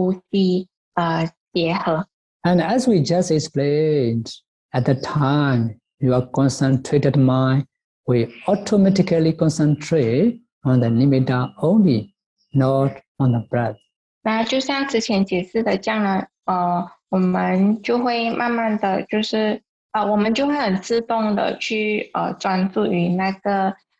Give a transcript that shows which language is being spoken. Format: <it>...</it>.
<zh>然后到最后那个事项呢，就是会跟呼吸结合。</zh> <en>And as we just explained, at the time, your concentrated mind will automatically concentrate on the nimitta only, not on the breath.</en> <zh>那就像之前解释的这样呢，我们就会慢慢的就是，我们就会很自动的去专注于那个。</zh>